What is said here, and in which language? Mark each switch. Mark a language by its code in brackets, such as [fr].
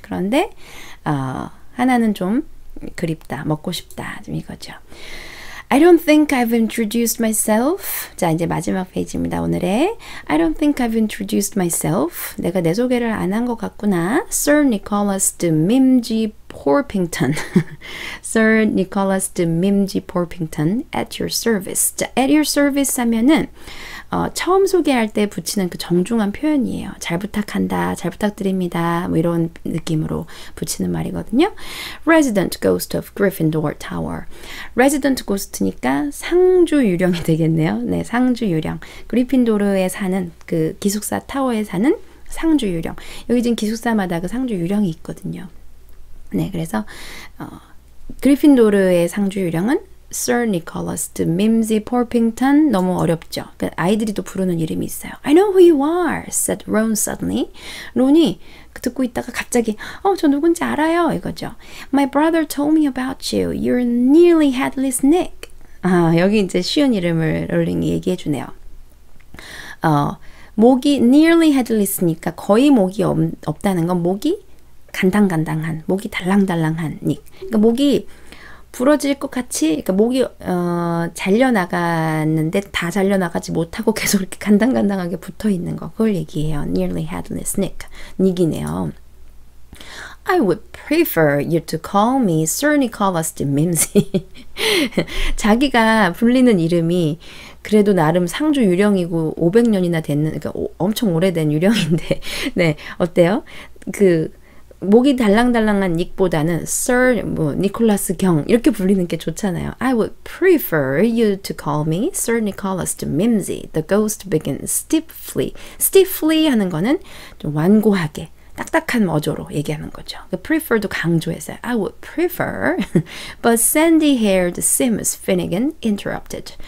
[ko] 그런데 하나는 좀 그립다. 먹고 싶다. 좀 이거죠. [en] I don't think I've introduced myself. [ko] 자, 이제 마지막 페이지입니다, 오늘의. [en] I don't think I've introduced myself. [ko] 내가 내 소개를 안 한 것 같구나. [en] Sir Nicholas de Mimji Porpington. Sir Nicholas de Mimji Porpington at your service. 자, at your service 하면은 [ko] 처음 소개할 때 붙이는 그 정중한 표현이에요. 잘 부탁한다, 잘 부탁드립니다. 뭐 이런 느낌으로 붙이는 말이거든요. [en] Resident Ghost of Gryffindor Tower. Resident Ghost니까 [ko] 상주 유령이 되겠네요. 네, 상주 유령. 그리핀도르에 사는 그 기숙사 타워에 사는 상주 유령. 여기 지금 기숙사마다 그 상주 유령이 있거든요. 네, 그래서 그리핀도르의 상주 유령은 Sir Nicholas de Mimsey Porpington. 너무 어렵죠. 아이들이 또 부르는 이름이 있어요. [en] I know who you are, said Ron suddenly. [ko] 론이 듣고 있다가 갑자기 저 누군지 알아요 이거죠. [en] My brother told me about you. You're nearly Headless Nick. [ko] 아, 여기 이제 쉬운 이름을 롤링이 얘기해 주네요. 목이 nearly headless니까 거의 목이 없다는 건 목이 간당간당한, 목이 달랑달랑한 닉. 그러니까 목이 부러질 것 같이, 그러니까 목이 잘려나갔는데 다 잘려나가지 못하고 계속 이렇게 간당간당하게 붙어있는 거. 그걸 얘기해요. Nearly headless nick. 닉이네요. [en] I would prefer you to call me Sir Nicholas de Mimsey. [ko] 자기가 불리는 이름이 그래도 나름 상주 유령이고 500년이나 됐는, 그러니까 엄청 오래된 유령인데 네, 어때요? 그 목이 달랑달랑한 닉보다는 Sir 뭐 니콜라스 경 이렇게 불리는 게 좋잖아요. [en] I would prefer you to call me Sir Nicholas de Mimsey. The ghost begins stiffly. [ko] Stiffly 하는 거는 좀 완고하게, 딱딱한 어조로 얘기하는 거죠. [en] Prefer도 [ko] 강조했어요. [en] I would prefer, but sandy-haired Seamus Finnegan interrupted.